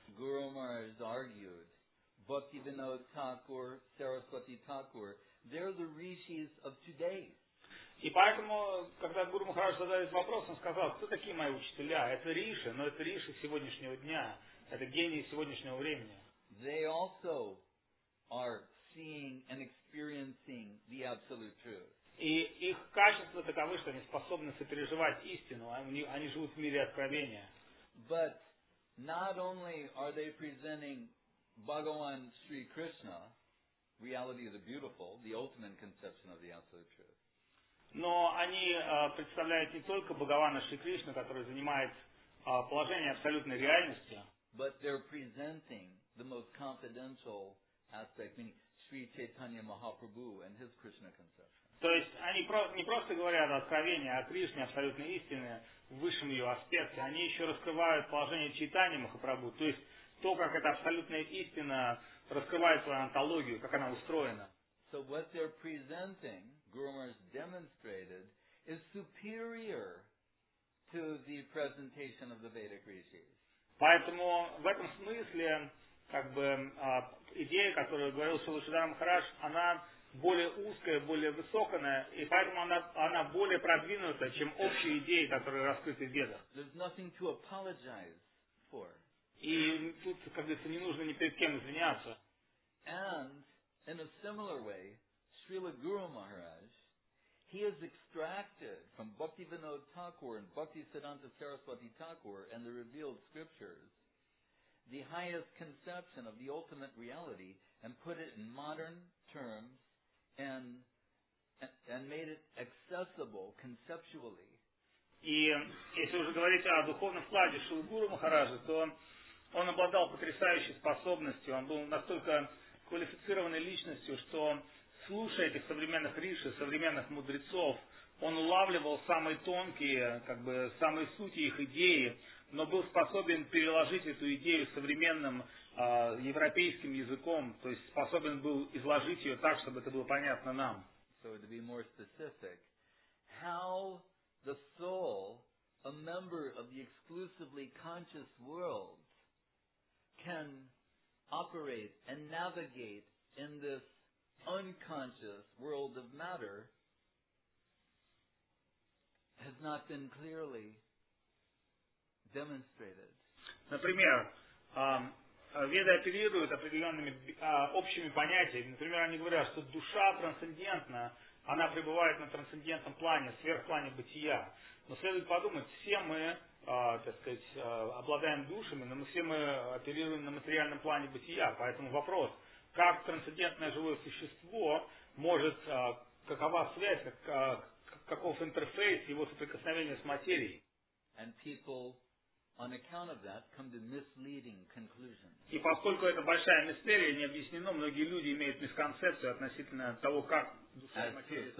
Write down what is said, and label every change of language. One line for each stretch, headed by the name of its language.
English: Guru Maharaj argued, Bhaktivinoda Thakur, Saraswati Thakur, they're the rishis of today.
Russian: И поэтому, когда Гуру Махарадж задает вопрос, он сказал, кто такие мои учителя? Это риши, но это риши сегодняшнего дня. Это гении сегодняшнего времени.
English: They also are seeing and experiencing the absolute truth.
Russian: И их качества таковы, что они способны сопереживать истину. Они живут в мире откровения.
English: But not only are they presenting Bhagavan Sri Krishna, reality of the beautiful, the ultimate conception of the absolute truth.
Russian: Но они представляют не только Бхагавана Шри Кришна, который занимает положение абсолютной реальности.
English: But they're presenting the most confidential aspect, meaning Sri Chaitanya Mahaprabhu and his Krishna conception.
Russian: То есть они не просто говорят о откровении о Кришне, абсолютной истине, в высшем ее аспекте, они еще раскрывают положение Чайтаньи Махапрабху, то есть то, как эта абсолютная истина раскрывает свою онтологию, как она устроена.
English: So what they're presenting, Guru Maharaj demonstrated, is superior to the presentation of the Vedic Rishis.
Russian: Поэтому в этом смысле, как бы, идея, которую говорил Шрила Шридхара Махарадж, она более узкая, более высоканная, и поэтому она более продвинута, чем общие идеи, которые раскрыты в Ведах.
English: There's nothing to apologize for.
Russian: И тут, как говорится, не нужно ни перед кем извиняться.
English: And in a similar way, Srila Guru Maharaj, he has extracted from Bhakti Vinod Thakur and Bhakti Siddhanta Saraswati Thakur and the revealed scriptures the highest conception of the ultimate reality and put it in modern terms and made it accessible conceptually.
Russian: И если уже говорить о духовном вкладе Шрилы Гуру Махараджа, то он обладал потрясающей способностью, он был настолько квалифицированной личностью, что слушая этих современных риши, современных мудрецов, он улавливал самые тонкие, как бы, самые сути их идеи, но был способен переложить эту идею современным европейским языком, то есть способен был изложить ее так, чтобы это было понятно нам.
English: So to be more specific, how the soul, a member of the exclusively conscious world, can operate and navigate in this unconscious world of matter has not been clearly demonstrated.
Russian: Например, веды оперируют определенными общими понятиями. Например, они говорят, что душа трансцендентна, она пребывает на трансцендентном плане, сверхплане бытия. Но следует подумать, все мы обладаем душами, но мы все мы оперируем на материальном плане бытия. Поэтому вопрос, как трансцендентное живое существо может, какова связь, каков интерфейс его соприкосновения с материей?
English: And people, on account of that, come to misleading conclusions.
Russian: И поскольку это большая мистерия, не объяснено, многие люди имеют мисконцепцию относительно того, как душа и материя